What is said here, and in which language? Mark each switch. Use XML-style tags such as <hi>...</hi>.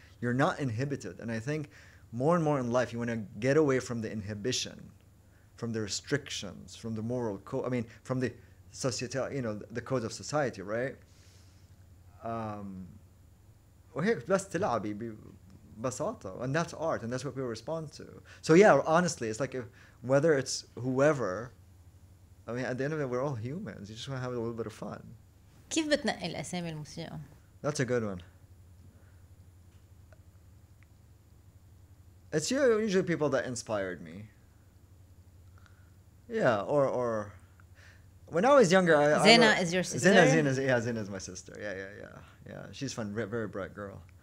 <en>You're not inhibited. And I think more and more in life, you want to get away from the inhibition, from the restrictions, from the moral code. I mean, from the society, the code of society, right?</en> <ar>وهيك بس تلعبي ببساطة,</ar> <en>and that's art, and that's what people respond to. So yeah, honestly, it's like whether it's whoever. I mean, at the end of it, we're all humans. You just want to have a little bit of fun.</en> <ar>كيف بتنقي الأسامي الموسيقى؟</ar> <en>That's a good one. It's usually people that inspired me. Yeah, or. When I was younger, Zena is my sister. Yeah. She's fun, very bright girl.</en>